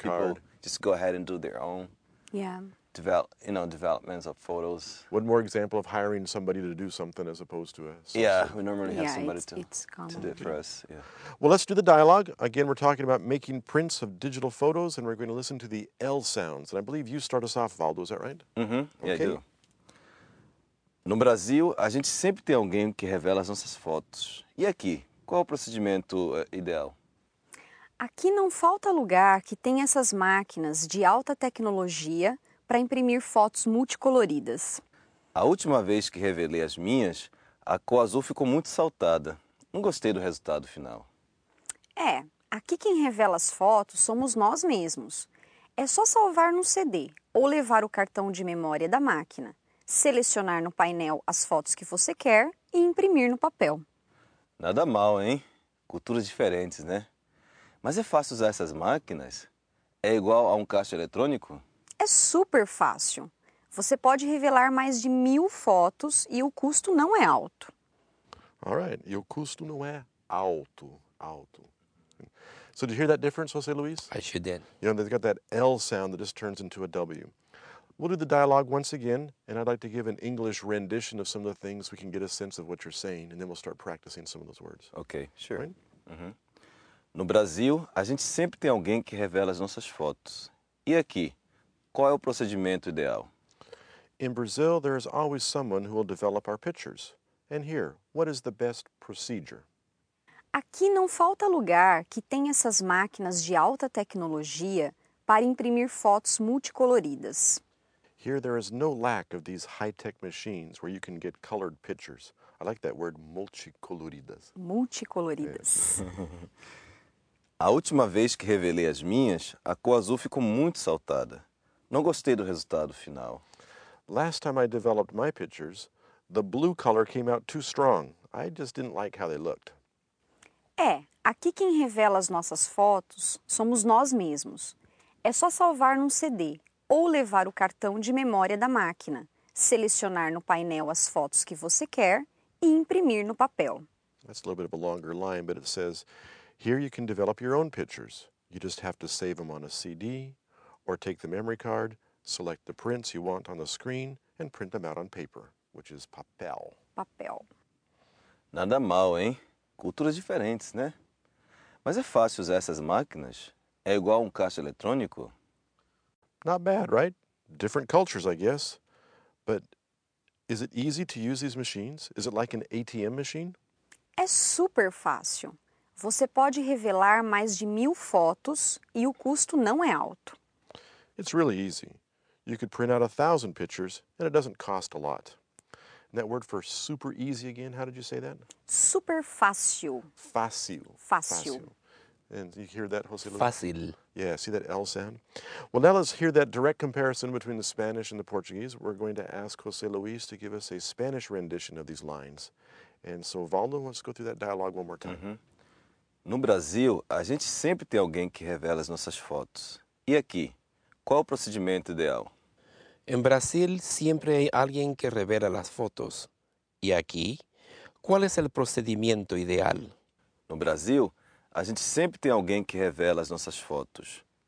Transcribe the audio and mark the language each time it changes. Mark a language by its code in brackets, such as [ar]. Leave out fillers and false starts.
[en] People just go ahead and do their own developments of photos. One more example of hiring somebody to do something as opposed to a... We normally have somebody to do it for us. Yeah. Well, let's do the dialogue. Again, we're talking about making prints of digital photos, and we're going to listen to the L sounds. And I believe you start us off, Valdo, is that right? Mm-hmm. Yeah, okay. I do. [pt] No Brasil, a gente sempre tem alguém que revela as nossas fotos. E aqui, qual o procedimento ideal? Aqui não falta lugar que tenha essas máquinas de alta tecnologia para imprimir fotos multicoloridas. A última vez que revelei as minhas, a cor azul ficou muito saltada. Não gostei do resultado final. É, aqui quem revela as fotos somos nós mesmos. É só salvar no CD ou levar o cartão de memória da máquina, selecionar no painel as fotos que você quer e imprimir no papel. Nada mal, hein? Culturas diferentes, né? Mas é fácil usar essas máquinas? É igual a um caixa eletrônico? É super fácil. Você pode revelar mais de 1,000 fotos e o custo não é alto. [en] All right. [pt] E o custo não é alto. Alto. [en] So, did you hear that difference, José Luis? I sure did. You know, they've got that L sound that just turns into a W. We'll do the dialogue once again, and I'd like to give an English rendition of some of the things so we can get a sense of what you're saying, and then we'll start practicing some of those words. Okay. Sure. Right? Mm-hmm. [pt] No Brasil, a gente sempre tem alguém que revela as nossas fotos. E aqui? Qual é o procedimento ideal? [en] In Brazil, there is always someone who will develop our pictures. And here, what is the best procedure? [pt] Aqui não falta lugar que tenha essas máquinas de alta tecnologia para imprimir fotos multicoloridas. [en] Here, there is no lack of these high-tech machines where you can get colored pictures. I like that word, multicoloridas. [pt] Multicoloridas. A última vez que revelei as minhas, a cor azul ficou muito saltada. Não gostei do resultado final. [en] Last time I developed my pictures, the blue color came out too strong. I just didn't like how they looked. [pt] É, aqui quem revela as nossas fotos somos nós mesmos. É só salvar num CD ou levar o cartão de memória da máquina, selecionar no painel as fotos que você quer e imprimir no papel. [en] That's a little bit of a longer line, but it says, here you can develop your own pictures. You just have to save them on a CD, or take the memory card, select the prints you want on the screen, and print them out on paper, which is papel. [pt] Papel. Nada mal, hein? Culturas diferentes, né? Mas é fácil usar essas máquinas? É igual um caixa eletrônico? [en] Not bad, right? Different cultures, I guess. But is it easy to use these machines? Is it like an ATM machine? [pt] É super fácil. Você pode revelar mais de 1,000 fotos e o custo não é alto. [en] It's really easy. You could print out 1,000 pictures, and it doesn't cost a lot. And that word for super easy again, how did you say that? [pt] Super fácil. Fácil. Fácil. [en] And you hear that, José Luis? [pt] Fácil. [en] Yeah, see that L sound? Well, now let's hear that direct comparison between the Spanish and the Portuguese. We're going to ask José Luis to give us a Spanish rendition of these lines. And so, Valdo, let's go through that dialogue one more time. Mm-hmm. [pt] No Brasil, a gente sempre tem alguém que revela as nossas fotos. E aqui? Qual o procedimento ideal? Em Brasil, sempre há alguém que revela as fotos. E aqui, Qual é o procedimento ideal? No Brasil, a gente sempre tem alguém que revela as nossas fotos.